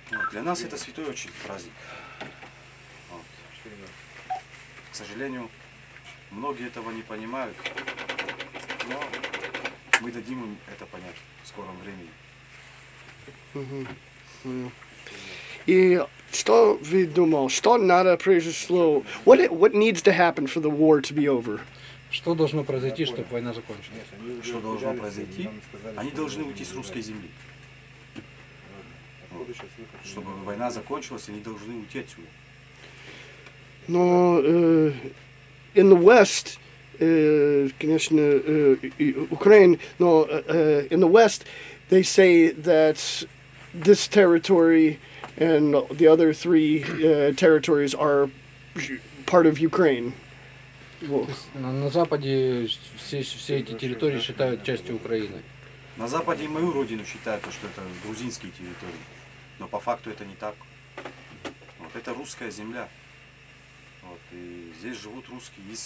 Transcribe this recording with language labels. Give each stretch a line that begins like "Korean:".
Russian: Для нас это святой очень праздник. Вот. К сожалению, многие этого не понимают. Но мы дадим им это понять в скором времени. И что вы думал, что надо произошло?
English: What needs to happen for the war to be over?
Russian: Что должно произойти, чтобы война закончилась? Что должно произойти? Они должны уйти с русской земли. Чтобы война закончилась, они должны уйти отсюда. Но
English: in the West,
Russian: конечно, Украина, но
English: in the West, they say that this territory and the other three territories are part of Ukraine.
Russian: На Западе все эти территории считают частью Украины. На Западе и мою родину считают, что это грузинские территории. Но по факту это не так. Вот это русская земля. Вот, и здесь живут русские.